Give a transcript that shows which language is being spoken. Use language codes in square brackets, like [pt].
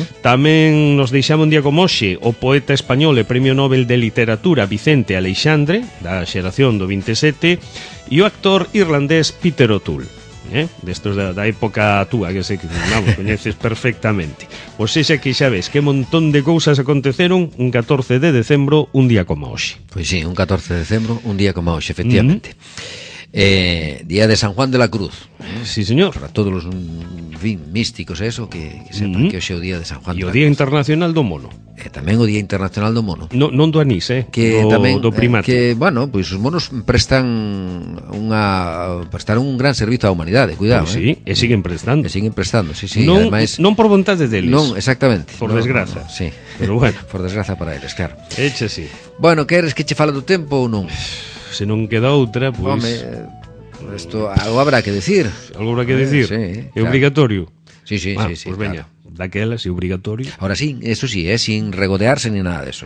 [gl] Tamén nos deixaba un día como hoxe o poeta español e premio Nobel de Literatura Vicente Aleixandre, da xeración do 27, e o actor irlandés Peter O'Toole. Destos da época túa, que sei que coñeces perfectamente. Pois é xa que xa ves que montón de cousas aconteceron un 14 de decembro, un día como hoxe. Pois sí, un 14 de decembro, un día como hoxe, efectivamente. Día de San Juan de la Cruz. Sí, señor. Para todos os místicos, eso, que sepan que hoxe é o día de San Juan de la Cruz. E o Día Internacional do Mono. Tamén o Día Internacional do Mono. Non do anís, que do primate. Que, bueno, pois os monos prestaron un gran servizo á humanidade, cuidado. Pois sí, e siguen prestando. E siguen prestando, sí, sí. Non, ademais, non por vontade deles. Non, exactamente. Por desgraza. No, sí. Pero bueno. Por desgraza para eles, claro. Eche sí. Bueno, queres que che fale do tempo ou non? Se non queda outra, pois... Home, isto [es] algo habrá que decir. Algo habrá que decir. [gl] Sí, é claro. Obligatorio. Sí, sí, ah, sí, sí. Pois veña. Claro. Daquelas e obrigatorio. [es] Ahora sí, eso sí, sin regodearse ni nada de eso.